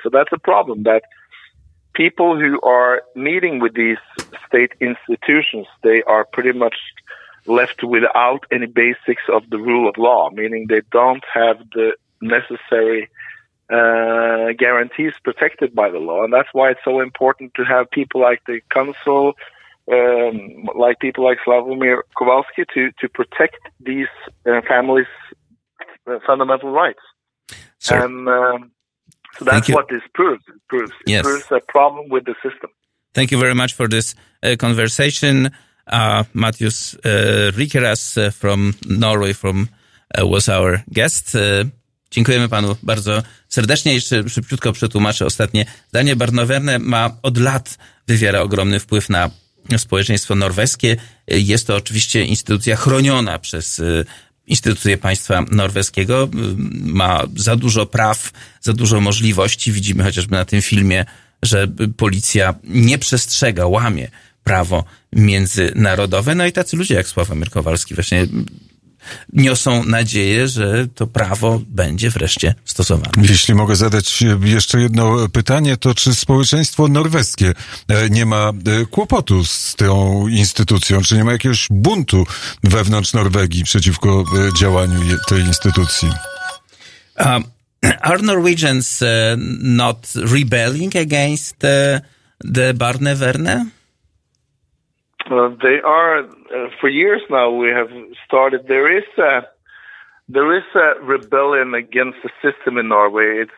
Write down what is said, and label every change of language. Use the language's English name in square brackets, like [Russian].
[English] So that's a problem, that people who are meeting with these state institutions, they are pretty much left without any basics of the rule of law, meaning they don't have the necessary guarantees protected by the law. And that's why it's so important to have people like the consul, like people like Slavomir Kowalski, to protect these families' fundamental rights. Sir. And so that's what this proves. It proves, yes. It proves a problem with the system. Thank you very much for this conversation. Matthias Rikeras from Norway was our guest. [Polish] Dziękujemy panu bardzo serdecznie. Jeszcze szybciutko przetłumaczę ostatnie zdanie. Barnawerne ma od lat wywiera ogromny wpływ na społeczeństwo norweskie. Jest to oczywiście instytucja chroniona przez instytucje państwa norweskiego. Ma za dużo praw, za dużo możliwości. Widzimy chociażby na tym filmie, że policja nie przestrzega, łamie prawo międzynarodowe. No i tacy ludzie jak Sławomir Kowalski właśnie niosą nadzieję, że to prawo będzie wreszcie stosowane. Jeśli mogę zadać jeszcze jedno pytanie, to czy społeczeństwo norweskie nie ma kłopotu z tą instytucją? Czy nie ma jakiegoś buntu wewnątrz Norwegii przeciwko działaniu tej instytucji? [English] Are Norwegians not rebelling against the Barnevernet? They are, for years now we have started, there is a rebellion against the system in Norway.